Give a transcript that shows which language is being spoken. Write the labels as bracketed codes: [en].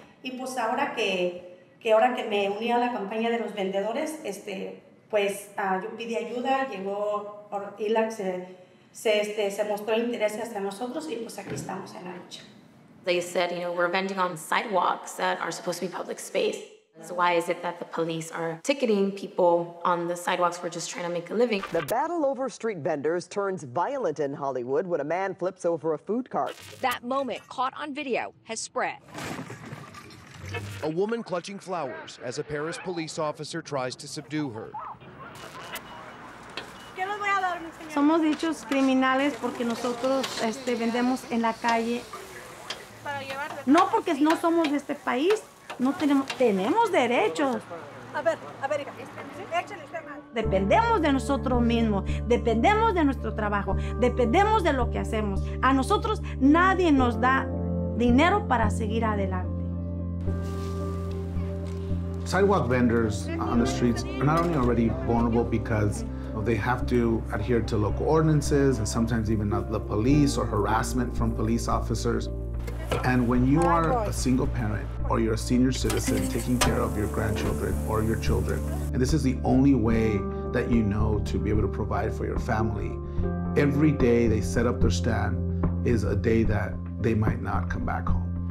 [es] Y pues ahora que me uní a la campaña de los vendedores, yo pedí ayuda, llegó ILAC, se mostró interés hacia nosotros y pues aquí estamos en la lucha. [en] They said, we're vending on sidewalks that are supposed to be public space. So why is it that the police are ticketing people on the sidewalks? We're just trying to make a living. The battle over street vendors turns violent in Hollywood when a man flips over a food cart. That moment, caught on video, has spread. A woman clutching flowers as a Paris police officer tries to subdue her. [es] Somos dichos criminales porque nosotros vendemos en la calle. No porque no somos de este país. No tenemos derechos. A ver, échale usted mal. Dependemos de nosotros mismos, dependemos de nuestro trabajo, dependemos de lo que hacemos. A nosotros nadie nos da dinero para seguir adelante. [en] Sidewalk vendors on the streets are not only already vulnerable because they have to adhere to local ordinances and sometimes even the police or harassment from police officers. And when you are a single parent or you're a senior citizen taking care of your grandchildren or your children, and this is the only way that you know to be able to provide for your family, every day they set up their stand is a day that they might not come back home.